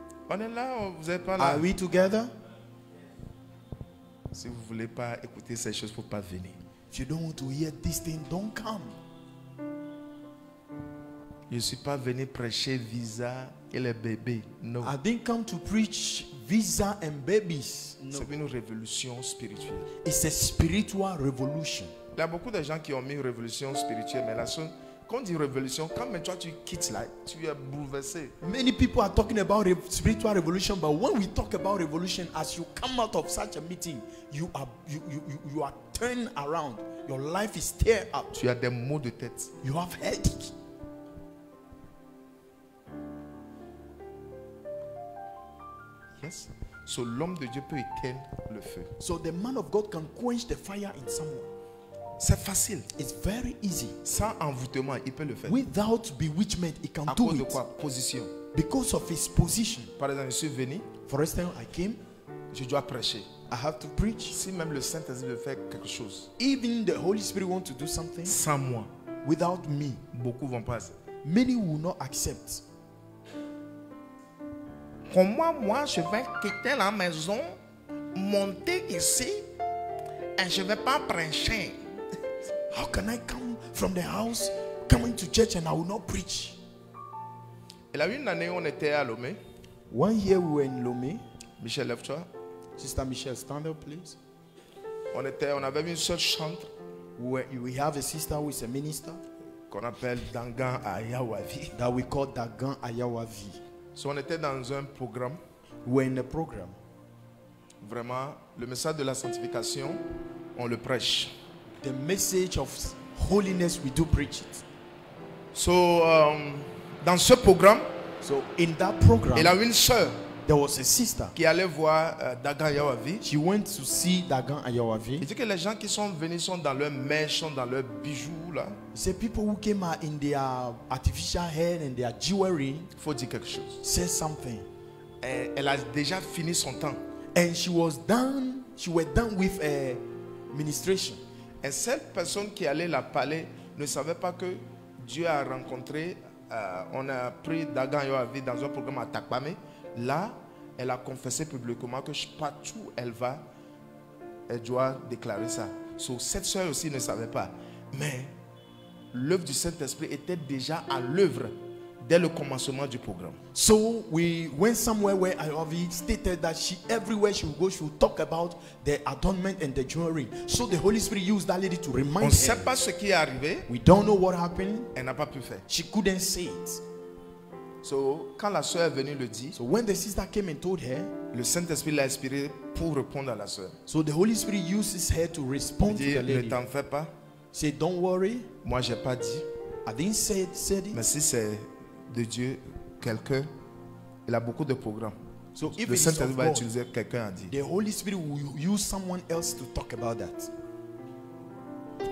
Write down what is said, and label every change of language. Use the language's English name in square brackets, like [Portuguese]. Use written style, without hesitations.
[French] On est là ou vous n'êtes pas là? [English] Are we together? [French] Si vous ne voulez pas écouter ces choses, pour ne pas venir. [English] If you don't want to hear this thing, don't come. [French] Je ne suis pas venu prêcher visa et les bébés. [English] No. I didn't come to preach visa and babies. [French] No. C'est une révolution spirituelle. [English] It's a spiritual revolution. [French] Il y a beaucoup de gens qui ont mis révolution spirituelle, mais la seule, quand on dit révolution, quand même toi tu quittes là, tu es bouleversé. [English] Many people are talking about spiritual revolution, but when we talk about revolution, as you come out of such a meeting, you are turned around. Your life is tear up. [French] Tu as des maux de tête. [English] You have headache. Yes. [French] So l'homme de Dieu peut éteindre le feu. [English] So the man of God can quench the fire in someone. [French] C'est facile. [English] It's very easy. [French] Sans envoûtement, il peut le faire. [English] Without bewitchment, he can [French] à [English] do it. [French] À cause de quoi? Position. [English] Because of his position. [French] Par exemple, je suis venu. [English] For instance, I came. [French] Je dois prêcher. [English] I have to preach. [French] Si même le Saint-Esprit veut faire quelque chose. [English] Even the Holy Spirit wants to do something. [French] Sans moi. [English] Without me. [French] Beaucoup vont pas. [English] Many will not accept. [French] Comment moi je vais quitter la maison, monter ici, et je vais pas prêcher? [English] How can I come from the house, coming to church, and I will not preach? [French] Et là, une année, on était à Lomé. [English] One year we were in Lomé. [French] Michel, lève-toi. [English] Sister Michel, stand up, please. [French] On avait une seule chante. [English] We have a sister who is a minister. [French] Qu'on appelle Dangan Ayawavi. [English] That we call Dangan Ayawavi. [French] So on était dans un programme. [English] We were in a program. [French] Vraiment, le message de la sanctification, on le prêche. [English] The message of holiness, we do preach it. [French] So, dans ce programme, [English] so in that program, [French] il y avait une sœur, [English] there was a sister, [French] qui allait voir Dagan Ayawavi. [English] She went to see Dagan Ayawavi. [French] Il dit que les gens qui sont venus sont dans leurs mèches, sont dans leurs bijoux là. [English] The people who came are in their artificial hair and their jewelry. [French] Faut dire quelque chose. [English] Say something. [French] Elle a déjà fini son temps. [English] And she was done. She was done with her ministration. [French] Et cette personne qui allait la parler ne savait pas que Dieu a rencontré, on a pris Dagan Ayawavi dans un programme à Takpame. Là, elle a confessé publiquement que partout où elle va, elle doit déclarer ça. So, cette soeur aussi ne savait pas. Mais l'œuvre du Saint-Esprit était déjà à l'œuvre dès le commencement du programme. [English] So we went somewhere where Ayawavi stated that she everywhere she would go, she would talk about the adornment and the jewelry. So the Holy Spirit used that lady to remind her. [French] On sait pas ce qui est arrivé. [English] We don't know what happened. [French] Elle n'a pas pu faire. [English] She couldn't say it. [French] So quand la sœur est venue le dire, [English] so when the sister came and told her, [French] le Saint-Esprit l'a inspiré pour répondre à la sœur. [English] So the Holy Spirit uses her to respond [French] dit, [English] to the lady. [French] Ne t'en fais pas. [English] Say don't worry. [French] Moi j'ai pas dit. [English] I didn't said it. [French] Mais si c'est de Dieu, quelqu'un, il a beaucoup de programmes. [English] So if [French] le Saint-Esprit va utiliser quelqu'un à dire. [English] The Holy Spirit will use someone else to talk about that.